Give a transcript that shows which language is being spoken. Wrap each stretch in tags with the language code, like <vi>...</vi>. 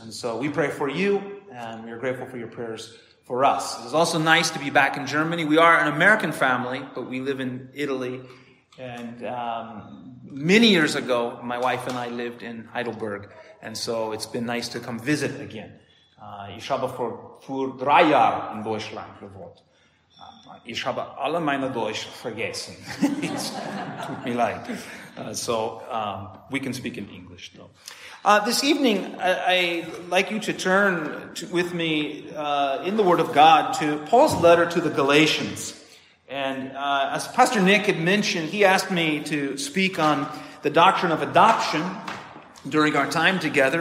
<en>And so we pray for you, and we are grateful for your prayers for us. It is also nice to be back in Germany. We are an American family, but we live in Italy. And many years ago, my wife and I lived in Heidelberg. And so it's been nice to come visit again.</en> <de>Ich habe vor 3 Jahren in Deutschland gewohnt. Ich habe alle meine Deutsch vergessen.</de> <en>It took me leid. So we can speak in English, though. This evening, I'd like you to turn with me in the Word of God to Paul's letter to the Galatians. And as Pastor Nick had mentioned, he asked me to speak on the doctrine of adoption during our time together.</en>